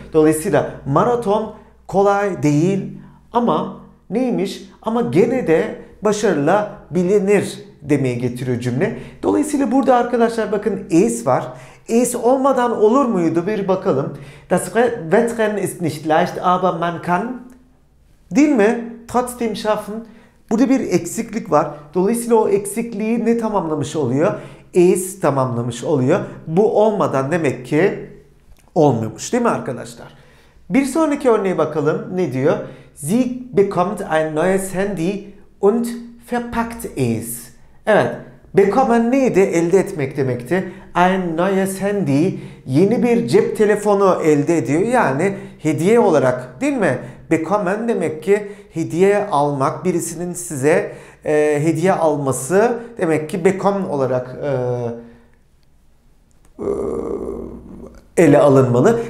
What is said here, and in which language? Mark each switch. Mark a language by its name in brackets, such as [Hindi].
[Turkish] Dolayısıyla maraton kolay değil ama neymiş? Ama gene de başarılı bilinir demeye getiriyor cümle. Dolayısıyla burada arkadaşlar bakın is var. Is olmadan olur muydu bir bakalım. [German] Das Wetter ist nicht leicht, aber man kann. [Turkish] Değil mi? [German] Trotzdem schaffen. [Turkish] Burada bir eksiklik var. Dolayısıyla o eksikliği ne tamamlamış oluyor? Is tamamlamış oluyor. Bu olmadan demek ki olmuyormuş değil mi arkadaşlar? Bir sonraki örneğe bakalım. Ne diyor? [German] Sie bekommt ein neues Handy und verpackt es. [Turkish] Evet. Bekommen neydi? Elde etmek demekti. [German] Ein neues Handy. [Turkish] Yeni bir cep telefonu elde ediyor. Yani hediye olarak değil mi? Bekommen demek ki hediye almak. Birisinin size hediye alması demek ki bekommen olarak ele alınmalı.